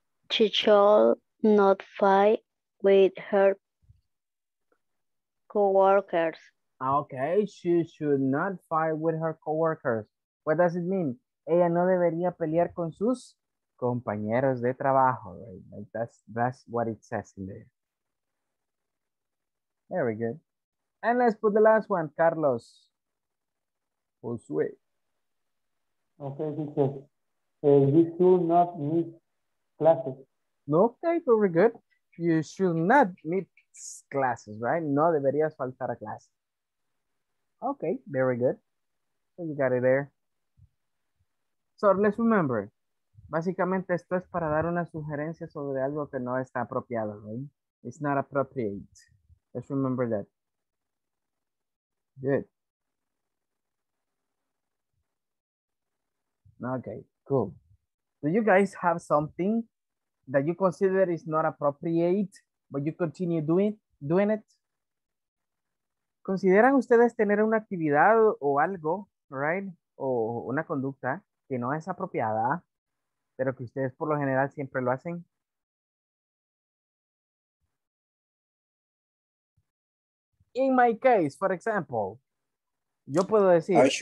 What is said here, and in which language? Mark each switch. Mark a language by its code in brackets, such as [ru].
[en] She shall not fight with her co-workers. Okay, she should not fight with her co-workers. What does it mean? [es] Ella no debería pelear con sus compañeros de trabajo, [en] right? Like that's what it says in there. Very good. And let's put the last one, Carlos. Josué. Okay, you should not miss classes. Okay, very good. You should not miss classes, right? [es] No deberías faltar a clase. [en] Okay, very good. So you got it there. So let's remember. [es] Básicamente esto es para dar una sugerencia sobre algo que no está apropiado, [en] right? It's not appropriate. Let's remember that. Good. Okay, cool. Do you guys have something that you consider is not appropriate, but you continue doing it? [es] ¿Consideran ustedes tener una actividad o algo, [en] right? [es] O una conducta que no es apropiada, pero que ustedes por lo general siempre lo hacen. [en] In my case, for example, [es] yo puedo decir.